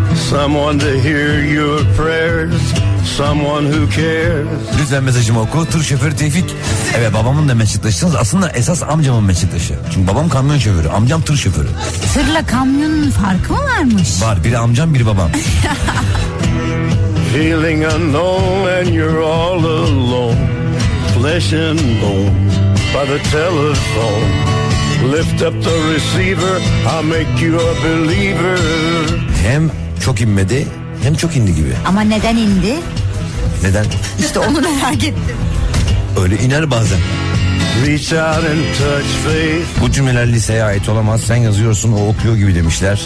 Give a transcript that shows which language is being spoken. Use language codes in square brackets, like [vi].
[en] Someone to hear your prayers. Someone who cares. [tr] Lütfen mesajımı oku. Tır şoförü Tevfik. Evet, babamın da meslektaşısınız. Aslında esas amcamın meslektaşı. Çünkü babam kamyon şoförü. Amcam tır şoförü. Tırla kamyonun farkı mı varmış? Var. Biri amcam, biri babam. [en] Feeling unknown and you're all alone. Flesh and bone by the telephone. Lift up the receiver. I'll make you a believer. [tr] Hem çok inmedi, hem çok indi gibi. Ama neden indi? Neden? İşte onu merak ettim. Öyle iner bazen. [en] Reach out and touch faith. [tr] Bu cümleler liseye ait olamaz. Sen yazıyorsun, o okuyor gibi demişler.